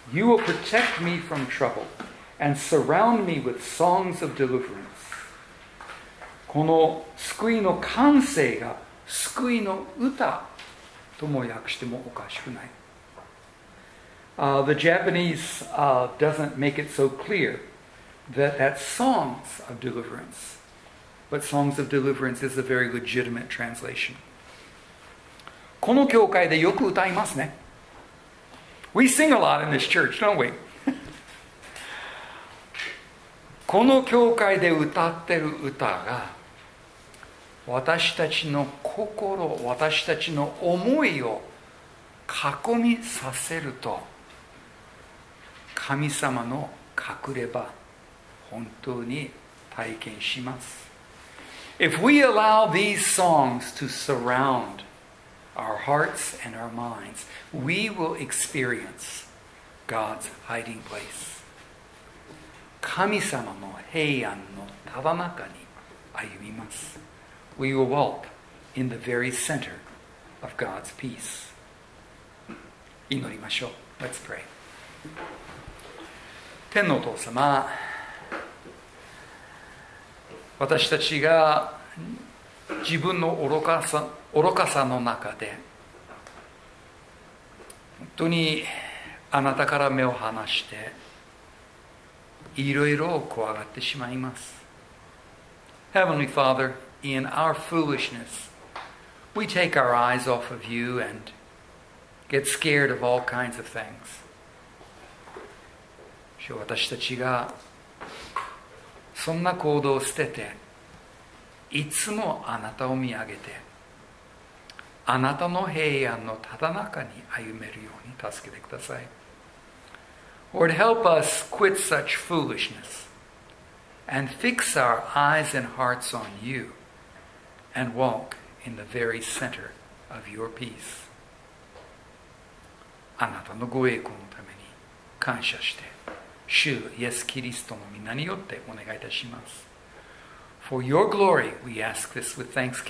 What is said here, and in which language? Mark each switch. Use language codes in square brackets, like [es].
[en] You will protect me from trouble and surround me with songs of deliverance. [ja] この救いの歓声が救いの歌とも訳してもおかしくない。 [en] The Japanese doesn't make it so clear that that's songs of deliverance. But songs of deliverance is a very legitimate translation. [ja] この教会でよく歌いますね。 [en] We sing a lot in this church, don't we? [ja] この教会で歌ってる歌が私たちの心、私たちの思いを囲みさせると神様の隠れ場本当に体験します。 [en] If we allow these songs to surround our hearts and our minds, we will experience God's hiding place. [ja] 神様の平安のたわまかに歩みます。 [en] We will walk in the very center of God's peace. [ja] 祈りましょう。 [en] Let's pray. [ja] 天のお父様、私たちが自分の愚かさの中で本当にあなたから目を離していろいろ怖がってしまいます。 [en] Heavenly Father, in our foolishness we take our eyes off of you and get scared of all kinds of things。 [ja] 私たちがそんな行動を捨てて、いつもあなたを見上げて、あなたの平安のただ中に歩めるように助けてください。 [en] Lord, help us quit such foolishness and fix our eyes and hearts on you and walk in the very center of your peace. [ja] あなたのご栄光のために感謝して。主イエスキリストの御名によってお願いいたします。 [en] For your glory, we ask this with thanksgiving in the name of the Lord Jesus Christ.